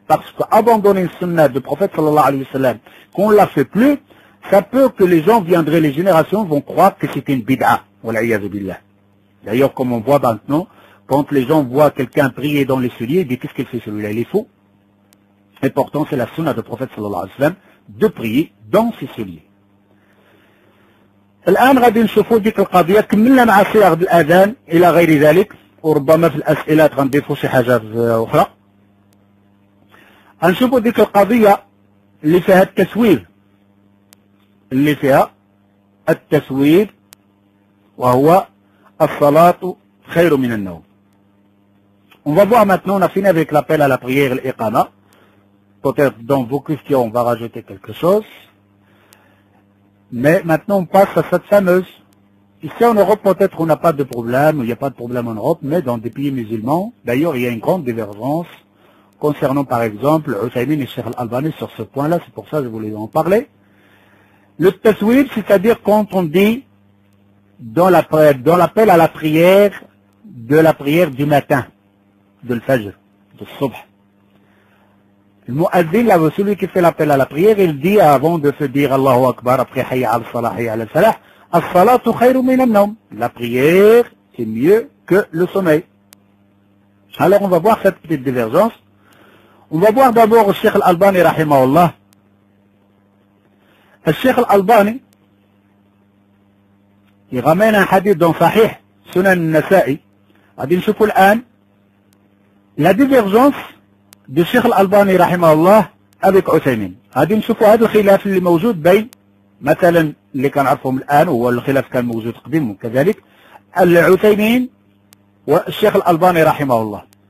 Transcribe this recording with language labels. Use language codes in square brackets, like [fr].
[fr] Parce qu'abandonner une sunna du prophète sallallahu alayhi wa sallam, qu'on ne la fait plus, ça peut que les gens viendraient, les générations vont croire que c'est une bid'a. [ar] Wal'iyadu billah. [fr] D'ailleurs, comme on voit maintenant, quand les gens voient quelqu'un prier dans les souliers, ils disent qu'est-ce qu'il fait celui-là, il est fou. Et pourtant, c'est la sunna du prophète sallallahu alayhi wa sallam de prier dans ses souliers. [ar] الان غادي نشوفوا ديك القضيه كملنا مع صياغ الاذان الى غير ذلك، وربما في الاسئله غنضيفوا شي حاجه اخرى. غنشوفوا ديك القضيه اللي فيها التسويب، اللي فيها التسويب، وهو الصلاه خير من النوم. [fr] On va voir maintenant, on a fini avec l'appel à la prière, l'iqama. Peut-être dans vos questions, on va rajouter quelque chose. Mais maintenant, on passe à cette fameuse. Ici en Europe, peut-être on n'a pas de problème, il n'y a pas de problème en Europe, mais dans des pays musulmans, d'ailleurs, il y a une grande divergence concernant, par exemple, Hussein et Cheikh Al-Albani sur ce point-là, c'est pour ça que je voulais en parler. Le taswib, c'est-à-dire quand on dit dans l'appel à la prière, de la prière du matin, de l'fajr, de subh. Le mu'adhin, celui qui fait l'appel à la prière, il dit avant de se dire Allahu Akbar, après [ar] Hayya al-Salah, Hayya al-Salah, As-salatu khayru min an-nawm. [fr] La prière, c'est mieux que le sommeil. Alors, on va voir cette petite divergence. On va voir d'abord le Cheikh Al-Albani, rahimahullah. Le Cheikh Al-Albani, il ramène un hadith dans Sahih, [ar] سنن النسائي. غادي نشوفوا الان [fr] لا ديفيرجونس دي [ar] الشيخ الالباني رحمه الله [fr] ابيك [ar] عثيمين. غادي نشوفوا هذا الخلاف اللي موجود بين مثلا اللي كنعرفهم الان، هو الخلاف كان موجود قديم كذلك، العثيمين والشيخ الالباني رحمه الله.